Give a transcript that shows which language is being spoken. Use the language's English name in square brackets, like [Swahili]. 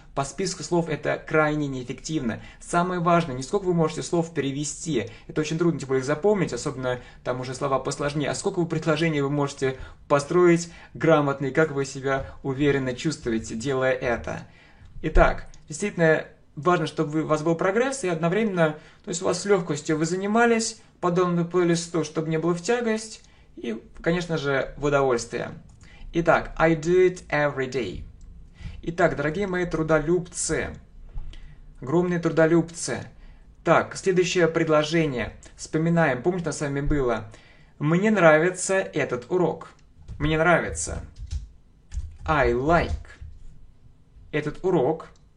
[Russian] По списку слов это крайне неэффективно. Самое важное, не сколько вы можете слов перевести, это очень трудно, типа, их запомнить, особенно там уже слова посложнее, а сколько вы предложений вы можете построить грамотно, и как вы себя уверенно чувствуете, делая это. Итак, действительно важно, чтобы у вас был прогресс, и одновременно, то есть у вас с легкостью вы занимались подобным плейлисту, чтобы не было в тягость, и, конечно же, в удовольствие. Итак, [English] I do it every day. [Russian] Итак, дорогие мои трудолюбцы, огромные трудолюбцы. Так, следующее предложение. Вспоминаем, помните, у нас с вами было? Мне нравится этот урок. Мне нравится. [English] I like [Russian] этот урок.